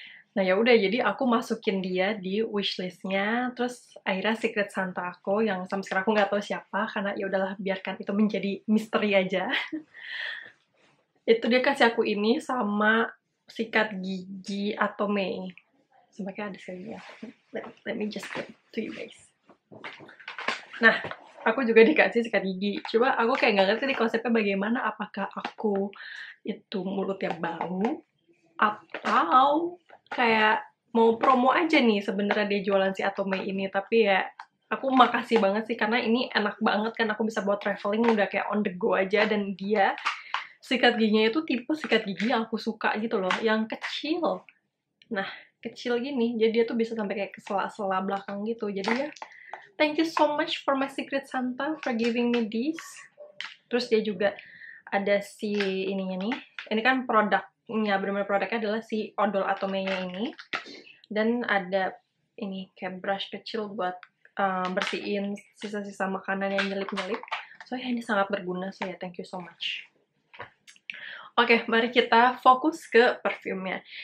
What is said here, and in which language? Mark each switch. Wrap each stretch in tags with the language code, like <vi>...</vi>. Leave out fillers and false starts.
<id>Nah ya udah, jadi aku masukin dia di wishlistnya, terus akhirnya secret santa aku yang sampai sekarang aku nggak tahu siapa, karena ya udahlah biarkan itu menjadi misteri aja. Itu dia kasih aku ini sama sikat gigi Atome. Sebagai ada sekali ya.</id> <en>Let me just get to you guys.</en> <id>Nah, aku juga dikasih sikat gigi. Coba aku kayak nggak ngerti konsepnya bagaimana. Apakah aku itu mulutnya bau? Atau kayak mau promo aja nih sebenarnya dia jualan si Atome ini. Tapi ya, aku makasih banget sih. Karena ini enak banget kan. Aku bisa buat traveling udah kayak</id> <en>on the go</en> <id>aja. Dan dia sikat giginya itu tipe sikat gigi yang aku suka gitu loh. Yang kecil. Nah, kecil gini. Jadi dia tuh bisa sampai kayak ke sela-sela belakang gitu. Jadi ya,</id> <en>thank you so much for my secret Santa for giving me this.</en> <id>Terus dia juga ada si ininya nih. Ini kan produknya, bener-bener produknya adalah si odol Atome-nya ini. Dan ada ini kayak brush kecil buat bersihin sisa-sisa makanan yang nyelip-nyelip. So ya, ini sangat berguna sih ya.</id> <en>Thank you so much.</en> <id>Oke, mari kita fokus ke perfume-nya.</id>